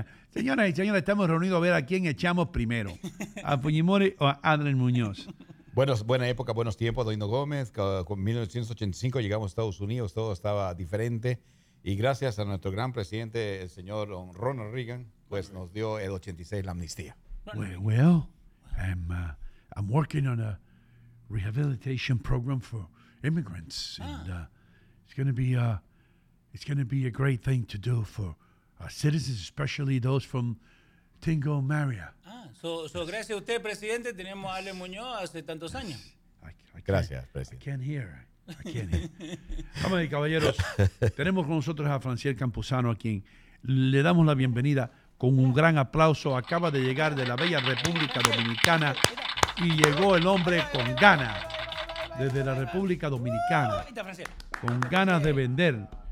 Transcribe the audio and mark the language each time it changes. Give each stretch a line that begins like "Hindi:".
Spanish: Señoras y señores, estamos reunidos a ver a quién echamos primero, a Fujimori o a Adrián Muñoz. Buena época, buenos tiempos, Ino Gómez. Con 1985 llegamos a Estados Unidos, todo estaba diferente. Y gracias a nuestro gran presidente, el señor Ronald Reagan, pues nos dio el 86 la amnistía.
English: I'm working on a rehabilitation program for immigrants. It's going to be a great thing to do for our citizens, especially those from Tingo María.
Spanish: Gracias a usted, presidente, tenemos a Ale Muñoz hace tantos años. Gracias, presidente.
English: I can't hear.
Spanish: Vamos, caballeros, tenemos con nosotros a Franciel Campuzano, a quien le damos la bienvenida con un gran aplauso. Acaba de llegar de la bella República Dominicana y llegó el hombre con ganas desde la República Dominicana, con ganas de vender.